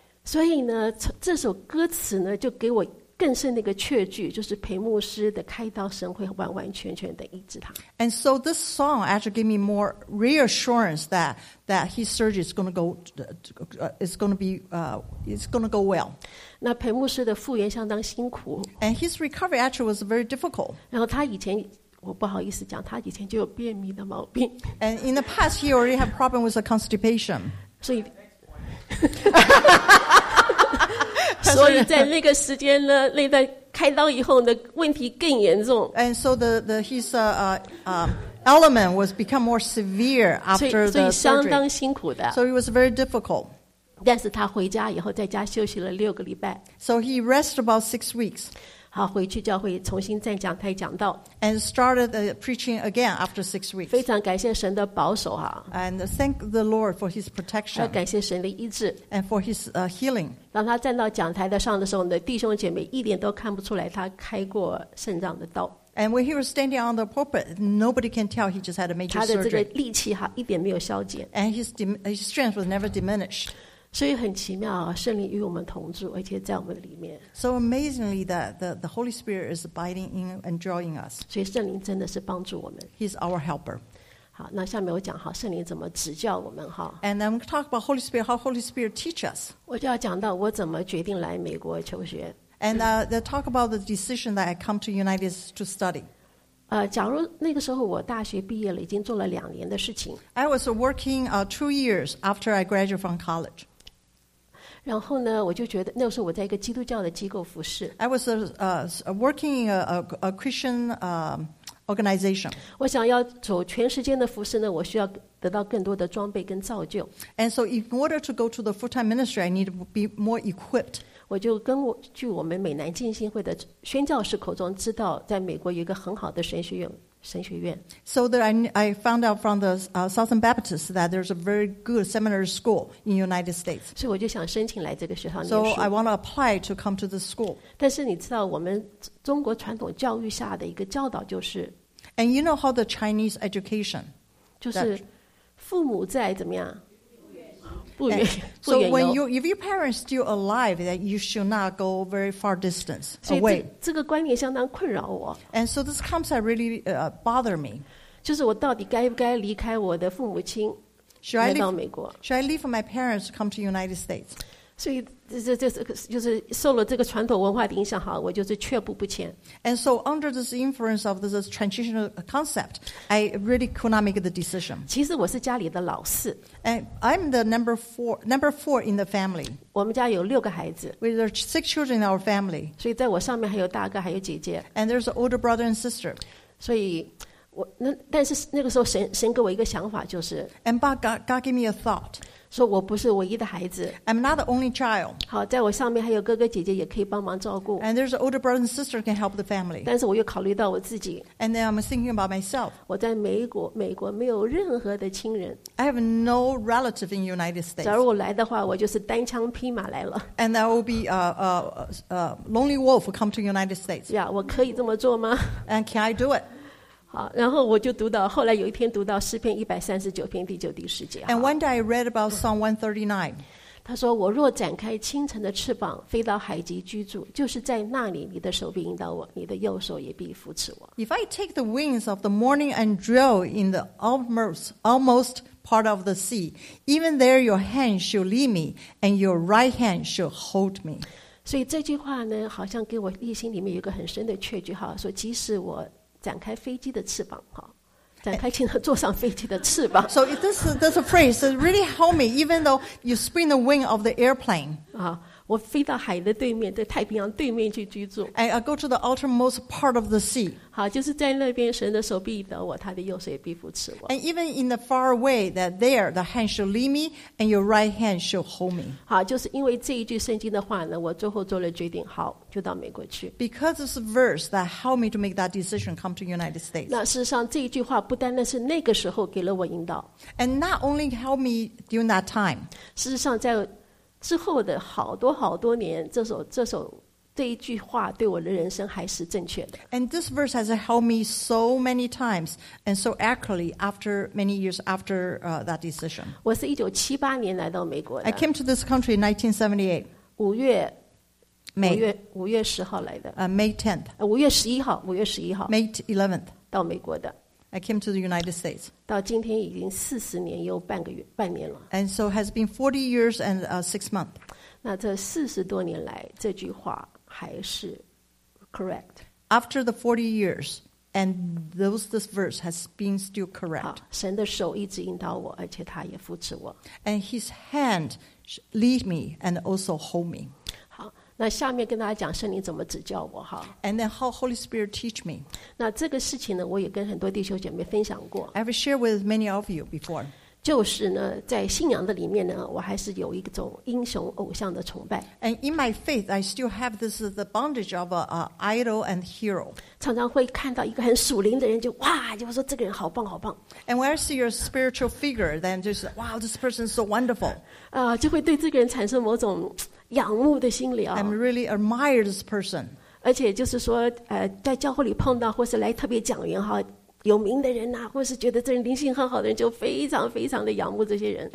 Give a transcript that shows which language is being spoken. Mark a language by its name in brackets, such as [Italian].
[Chinese] 所以呢这首歌词呢就给我更是那个确据就是裴牧师的开刀神会完完全全的医治他 [English] And so this song actually gave me more reassurance that his surgery is going to go well [Chinese] 那裴牧师的复原相当辛苦 [English] And his recovery actually was very difficult [Chinese] 然后他以前我不好意思讲他以前就有便秘的毛病 [English] And in the past he already had a problem with a constipation [Chinese] 所以所以在那个时间呢那段开刀以后呢问题更严重 [English] And so his element was become more severe after the surgery [Chinese] 所以相当辛苦的 [English] So it was very difficult [Chinese] 但是他回家以后在家休息了六个礼拜 [English] So he rested about 6 weeks [Chinese] 好回去教会重新再讲台讲道 [English] And started the preaching again after 6 weeks [Chinese] 非常感谢神的保守、啊、 [English] And thank the Lord for his protection [Chinese] 感谢神的医治 [English] And for his healing [Chinese] 当他站到讲台的上的时候呢弟兄姐妹一点都看不出来他开过肾脏的刀 [English] And when he was standing on the pulpit nobody can tell he just had a major surgery [Chinese] 他的这个力气、啊、一点没有消减 [English] And his strength was never diminished [Chinese] 所以很奇妙、啊、圣灵与我们同住而且在我们里面 [English] So amazingly that the Holy Spirit is abiding in and drawing us [Chinese] 所以圣灵真的是帮助我们 [English] He's our helper [Chinese] 好那下面我讲好圣灵怎么指教我们好 [English] And I'm going to talk about Holy Spirit how Holy Spirit teach us [Chinese] 我就要讲到我怎么决定来美国求学 [English] And they'll talk about the decision that I come to United States to study [Chinese] 假如那个时候我大学毕业了已经做了两年的事情 [English] I was working 2 years after I graduated from college [Chinese] 然后呢我就觉得那时候我在一个基督教的机构服事 [English] I was working in a Christian organization [Chinese] 我想要走全时间的服事呢我需要得到更多的装备跟造就 [English] And so in order to go to the full-time ministry I need to be more equipped [Chinese] 我就根据我们美南浸信会的宣教士口中知道在美国有一个很好的神学院 [English] So that I found out from the Southern Baptist that there's a very good seminary school in the United States. [Chinese] So 我就想申请来这个学校念书。 [English] So I want to apply to come to the school. [Chinese] 但是你知道我们中国传统教育下的一个教导就是 [English] And you know how the Chinese education. [Chinese] 就是父母在怎么样？ [English] So when you, if your parents are still alive, that you should not go very far distance away. [Chinese] 这个观念相当困扰我。 [English] And so this concept really bother me. [Chinese] 就是我到底该不该离开我的父母亲，来到美国？ [English] Should I leave my parents to come to the United States? [Chinese] 所以这就是受了这个传统文化的影响，好，我就是却步不前。 [English] And so under this influence of this transitional concept, I really could not make the decision. [Chinese] 其实我是家里的老四。 [English] And I'm the number four in the family. [Chinese] 我们家有六个孩子。 [English] We have six children in our family. [Chinese] 所以在我上面还有大哥，还有姐姐。 [English] And there's an older brother and sister. [Chinese] 所以我那但是那个时候神给我一个想法，就是 [English] And but God gave me a thought. [Chinese] 说我不是唯一的孩子。 [English] I'm not the only child. [Chinese] 好，在我上面还有哥哥姐姐也可以帮忙照顾。 [English] And there's an older brother and sister can help the family. [Chinese] 但是我又考虑到我自己。 [English] And then I'm thinking about myself. [Chinese] 我在美国没有任何的亲人。 [English] I have no relative in the United States. [Chinese] 假如我来的话，我就是单枪匹马来了。 [English] And that will be a lonely wolf come to the United States. [Chinese] Yeah, 我可以这么做吗？ [English] And can I do it? [Chinese] 好，然后我就读到后来有一天读到诗篇139篇第九第十节。 [English] And one day I read about Psalm 139. [Chinese] 他说我若展开清晨的翅膀飞到海极居住，就是在那里你的手臂引导我，你的右手也必扶持我。 [English] If I take the wings of the morning and dwell in the almost part of the sea, even there your hand shall lead me and your right hand shall hold me. [Chinese] 所以这句话呢，好像给我内心里面有一个很深的确据，说即使我展开飞机的翅膀，展开清晨坐上飞机的翅膀。 [English] So this phrase really helped me, even though you spin the wing of the airplane. [Chinese] 我飞到海的对面，在太平洋对面去居住。 [English] And I go to the outermost part of the sea. [Chinese] 好，就是在那边，神的手臂引导我，他的右手也必扶持我。 [English] And even in the far away, that there the hand shall lead me, and your right hand shall hold me. [Chinese] 好，就是因为这一句圣经的话呢，我最后做了决定，好，就到美国去。 [English] Because this verse that helped me to make that decision come to the United States. [Chinese] 那事实上，这一句话不单单是那个时候给了我引导。 [English] And not only helped me during that time. [Chinese] 事实上，在之后的好多好多年，这首这一句话对我的人生还是正确的。 [English] And this verse has helped me so many times and so accurately after many years after that decision. [Chinese] 我是1978年来到美国的。 [English] I came to this country in 1978. [Chinese] 5月10号来的。 [English] May 10th. [Chinese] 5月11号。 [English] May 11th. [Chinese] 到美国的。 [English] I came to the United States. [Chinese] 到今天已经40年又半个月半年了。 [English] And so it has been 40 years and 6 months. [Chinese] 那这40多年来，这句话还是 correct. [English] After the 40 years, and this verse has been still correct. [Chinese] 好，神的手一直引导我，而且他也扶持我。 [English] And His hand lead me and also hold me. [Chinese] 好，那下面跟大家讲圣灵怎么指教我哈。 [English] And then how Holy Spirit teach me. [Chinese] 那这个事情呢，我也跟很多弟兄姐妹分享过。 [English] I've shared with many of you before. [Chinese] 就是呢，在信仰的里面呢，我还是有一种英雄偶像的崇拜。 [English] And in my faith, I still have this the bondage of a idol and hero. [Chinese] 常常会看到一个很属灵的人，就哇，就说这个人好棒好棒。 [English] And when I see your spiritual figure, then just wow, this person is so wonderful. [Chinese] 就会对这个人产生某种仰慕的心理啊。 [English] I'm really admire this person. [Chinese] 而且就是说，在教会里碰到或是来特别讲员哈，有名的人呐、或是觉得这人灵性很好的人，就非常非常的仰慕这些人。